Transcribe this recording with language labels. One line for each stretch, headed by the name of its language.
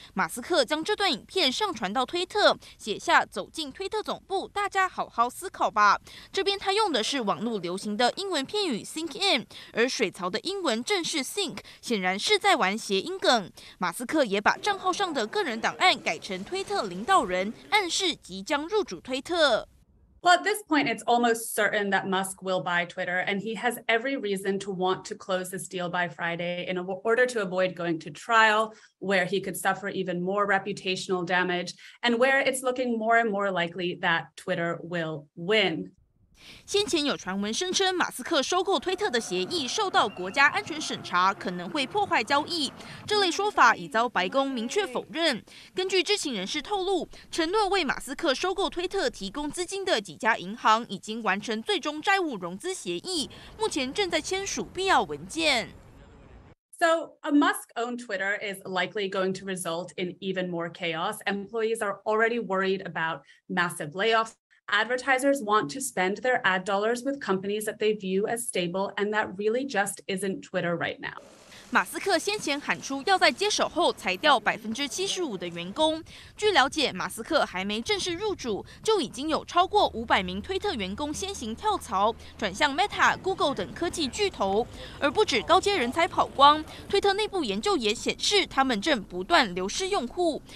Chinese: 马斯克将这段影片上传到推特，写下“走进推特总部，大家好好思考吧”。这边他用的是网络流行的英文片语 “sink in”， 而水槽的英文正是 “sink”， 显然是在玩谐音梗。马斯克也把账号上的个人档案改成推特领导人，暗示即将入主推特。
English: Well, at this point, it's almost certain that Musk will buy Twitter, and he has every reason to want to close this deal by Friday in order to avoid going to trial, where he could suffer even more reputational damage, and where it's looking more and more likely that Twitter will win.
Chinese: 先前有传闻声称马斯克收购推特的协议受到国家安全审查，可能会破坏交易，这类说法已遭白宫明确否认。根据知情人士透露，承诺为马斯克收购推特提供资金的几家银行已经完成最终债务融资协议，目前正在签署必要文件。
English: So a Musk-owned Twitter is likely going to result in even more chaos. Employees are already worried about massive layoffs. Advertisers want to spend their ad dollars with companies that they view as stable, and that really just isn't Twitter right now.
Chinese: 马斯克先前喊出要在接手后裁掉75%的员工。据了解，马斯克还没正式入主，就已经有超过500名推特员工先行跳槽，转向 Meta、Google 等科技巨头。而不止高阶人才跑光，推特内部研究也显示，他们正不断流失用户。